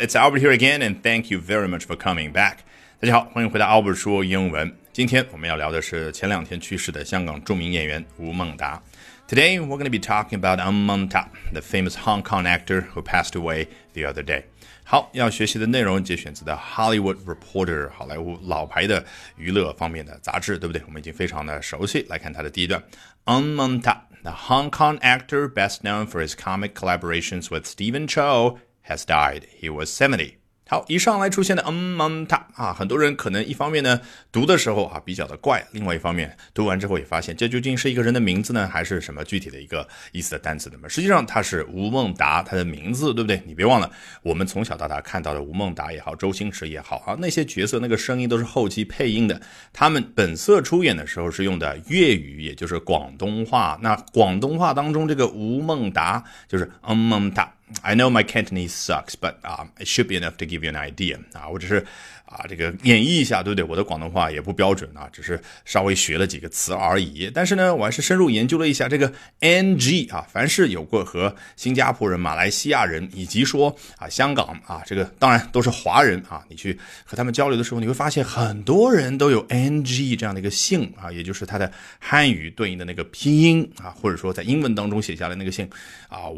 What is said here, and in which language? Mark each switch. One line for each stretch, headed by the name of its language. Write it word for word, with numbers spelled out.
English: It's Albert here again, and thank you very much for coming back.
Chinese: 大家好，欢迎回到 Albert 说英文。今天我们要聊的是前两天去世的香港著名演员吴孟达。
English: Today we're going to be talking about Ang Montap, the famous Hong Kong actor who passed away the other day.
Chinese: 好，要学习的内容节选自的 Hollywood Reporter 好莱坞老牌的娱乐方面的杂志，对不对？我们已经非常的熟悉。来看它的第一段
English: ，Ang Montap, the Hong Kong actor best known for his comic collaborations with Stephen Chow. Has died. He was seventy.
Chinese: 好，以上来出现的 嗯嗯他啊，很多人可能一方面呢读的时候啊比较的怪，另外一方面读完之后也发现这究竟是一个人的名字呢，还是什么具体的一个意思的单词呢？实际上他是吴孟达，他的名字对不对？你别忘了，我们从小到大看到的吴孟达也好，周星驰也好啊，那些角色那个声音都是后期配音的，他们本色出演的时候是用的粤语，也就是广东话。那广东话当中这个吴孟达就是嗯嗯他。
English: I know my Cantonese sucks, but、uh, it should be enough to give you an idea.
Chinese: 啊，我只是啊这个演绎一下，对不对？我的广东话也不标准啊，只是稍微学了几个词而已。但是呢，我还是深入研究了一下这个 N G 啊，凡是有过和新加坡人、马来西亚人以及说啊香港啊，这个当然都是华人啊，你去和他们交流的时候，你会发现很多人都有 N G 这样的一个姓啊，也就是他的汉语对应的那个拼音啊，或者说在英文当中写下来那个姓啊。